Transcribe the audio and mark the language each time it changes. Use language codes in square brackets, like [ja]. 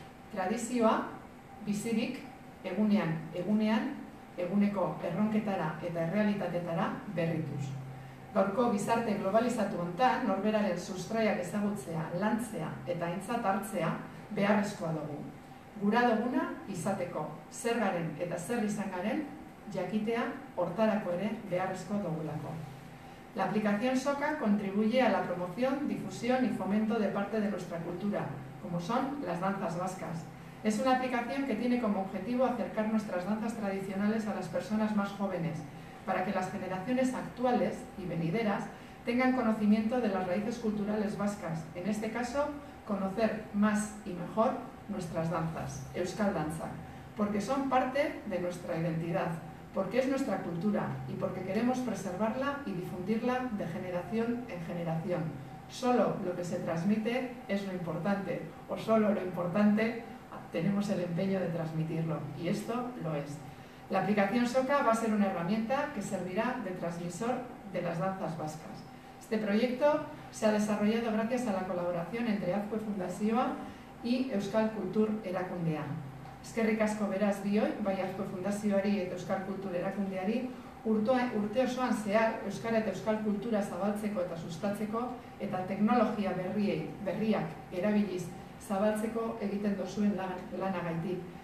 [eu] Tradizioa bizirik egunean eguneko erronketara eta errealitatetara berrituz. Gaurko gizarte globalizatu hontan norberaren sustraiak ezagutzea, lantzea eta aintzat hartzea beharrezkoa dugu. Gura duguna izateko, zer garen eta zer izan garen jakitea hortarako ere beharrezkoa dugulako. [es] La aplicación Soka contribuye a la promoción, difusión y fomento de parte de nuestra cultura, como son las danzas vascas. Es una aplicación que tiene como objetivo acercar nuestras danzas tradicionales a las personas más jóvenes, para que las generaciones actuales y venideras tengan conocimiento de las raíces culturales vascas, en este caso, conocer más y mejor nuestras danzas, Euskal Danza, porque son parte de nuestra identidad, porque es nuestra cultura y porque queremos preservarla y difundirla de generación en generación. Solo lo que se transmite es lo importante, o solo lo importante tenemos el empeño de transmitirlo, y esto lo es. La aplicación Soka va a ser una herramienta que servirá de transmisor de las danzas vascas. Este proyecto se ha desarrollado gracias a la colaboración entre Azkue Fundazioa y Euskal Kultur Erakundea. [eu] Eskerrik asko beraz bioi, bai Azkue Fundazioari eta Euskal Kultur Erakundeari, urte osoan zehar Euskara eta Euskal Kultura zabaltzeko eta sustatzeko eta teknologia berriak erabiliz zabaltzeko egiten duzuen lanagaitik.